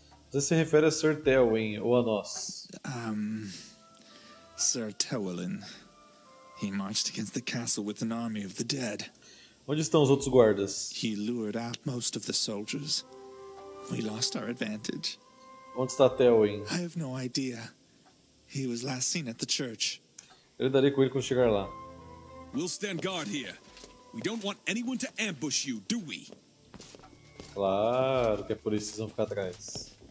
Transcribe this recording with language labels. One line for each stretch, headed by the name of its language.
Portuguese: Você se refere a Sir Tewin ou a nós? Sir Tewin.
English: He marched against the castle with an army of the dead.
Portuguese: Onde estão os outros guardas?
English: He lured out most of the soldiers. We lost our advantage.
Portuguese: Onde está Tewin?
English: I have no idea. He was last seen at the church.
Portuguese: Eu lidarei com ele quando chegar lá.
English: We'll stand guard here. We don't want anyone to ambush you, do we?
Portuguese: Claro que é por isso que vão ficar atrás.